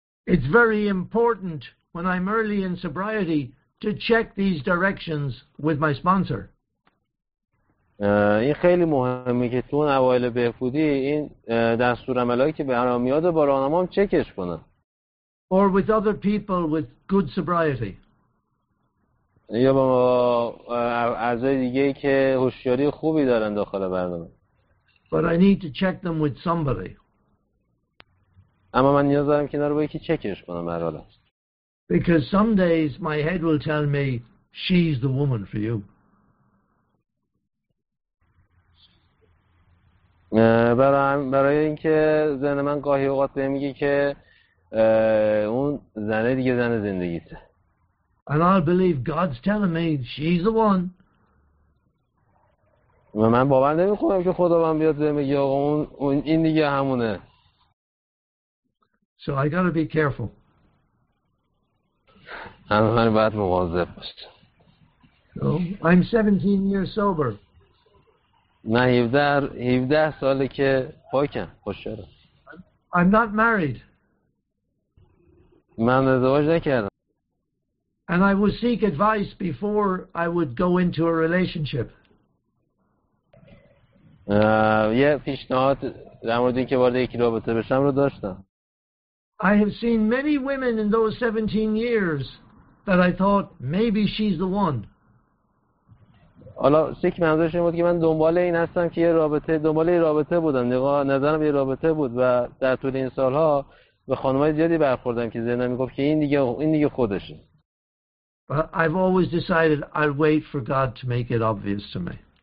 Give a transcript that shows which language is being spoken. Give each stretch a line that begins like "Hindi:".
English: It's very important when I'm early in sobriety to check these directions with my sponsor.
Persian: این خیلی مهمه که تو اون اوایل بهبودی این دستور عملی که به هم میاد با راهنمام چکش کنه.
English: Or with other people with good sobriety.
Persian: یا با اعضای دیگه که هوشیاری خوبی دارن داخل برنامه.
English: But I need to check them with somebody.
Persian: اما من نیاز دارم که اینا رو با یکی چکش کنم هر حال.
English: Because some days my head will tell me she's the woman for you.
Persian: برای اینکه زن من گاهی اوقات بهم میگه که اون زنه دیگه زن زندگیته.
English: And I believe God's telling me she's the one.
Persian: و من باور نمی‌کنم که خدا من بیاد بهم بگه آقا اون این دیگه همونه.
English: So I got to be careful.
Persian: من باید مواظب باشم.
English: So I'm 17 years sober.
Persian: نه 17 ساله که پاکم، خوشحالم.
English: I'm not married.
Persian: من ازدواج نکردم.
English: And I would seek advice before I would go into a relationship.
Persian: یه پیشنهاد در مورد اینکه وارد یک رابطه بشم رو داشتم.
English: I have seen many women in those 17 years that I thought maybe she's the one.
Persian: حالا سیک منظورش این بود که من دنبال این هستم که دنبال یه رابطه بودم، نظرم یه رابطه بود و در طول این سالها به خانمای زیادی برخوردم که ذهنم میگفت که این دیگه خودشه.
English: But I've always decided I'll wait for God to make it obvious to me.